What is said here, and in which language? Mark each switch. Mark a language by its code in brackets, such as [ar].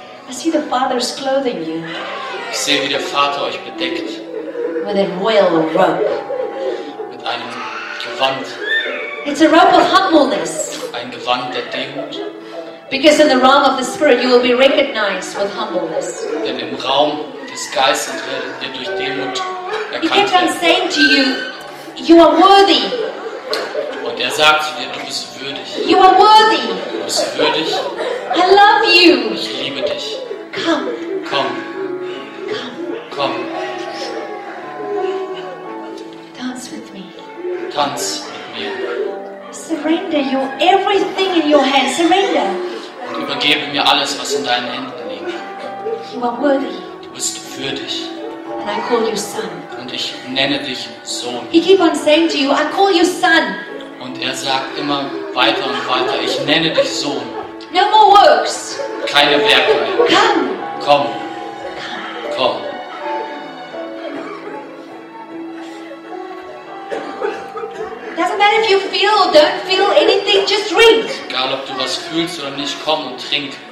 [en] I see the Father's clothing you. [de] Ich sehe, wie der Vater euch bedeckt. [en] With a royal robe. [de] Mit einem Gewand. [en] It's a robe of humbleness. [de] Ein Gewand der Demut. [en] Because in the realm of the Spirit you will be recognized with humbleness. [de] Denn im Raum des Geistes wird durch Demut erkannt. [en] He kept on saying to you, you are worthy. [de] Und er sagt zu dir, du bist würdig. [en] You are worthy. [de] Du bist würdig. [en] I love you. [de] Ich liebe dich. [en] Come. [de] Komm. [en] Come. [de] Komm. [en] Dance with me. [de] Tanz mit mir. [en] Surrender your everything in your hands. Surrender. [de] Und übergebe mir alles, was in deinen Händen liegt. [en] You are worthy. [de] Du bist würdig. [en] And I call you son. [de] Und ich nenne dich Sohn. [en] He keep on saying to you, I call you son. [de] Und er sagt immer weiter und weiter, ich nenne dich Sohn. [en] No more works. [de] Keine Werke mehr. [en] Come. [de] Komm. [en] Come. [de] Komm. [en] Doesn't matter if you feel or don't feel anything, just drink. [de] Egal ob du was fühlst oder nicht, komm und trink.